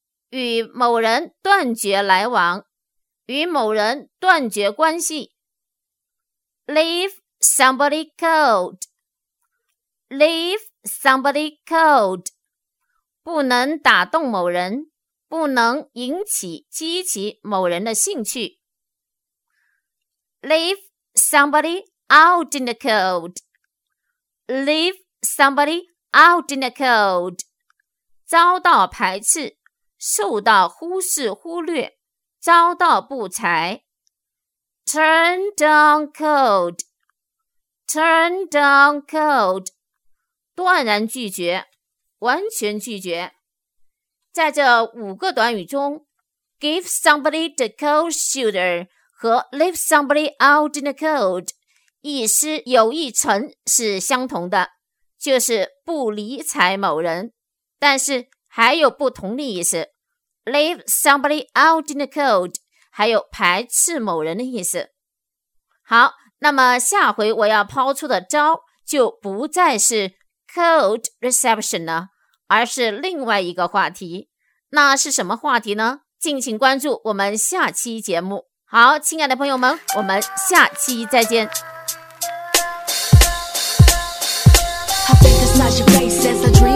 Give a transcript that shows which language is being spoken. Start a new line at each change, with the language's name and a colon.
Chinese: 与某人断绝来往，与某人断绝关系。
English: Leave somebody cold. Leave somebody cold.
Chinese: 不能打动某人，不能引起激起某人的兴趣。
English: Leave somebody out in the cold. Leave somebody out in the cold.
Chinese: 遭到排斥，受到忽视忽略，遭到不睬。
English: Turn down cold. Turn down cold.
Chinese: 断然拒绝，完全拒绝。在这五个短语中，
English: give somebody the cold shoulder 和 leave somebody out in the cold
Chinese: 意思有一层是相同的，就是不理睬某人，但是还有不同的意思。
English: leave somebody out in the cold
Chinese: 还有排斥某人的意思。好，那么下回我要抛出的招就不再是 cold reception 了，而是另外一个话题。那是什么话题呢？敬请关注我们下期节目。好，亲爱的朋友们，我们下期再见。
English: I think it's not your face, it's a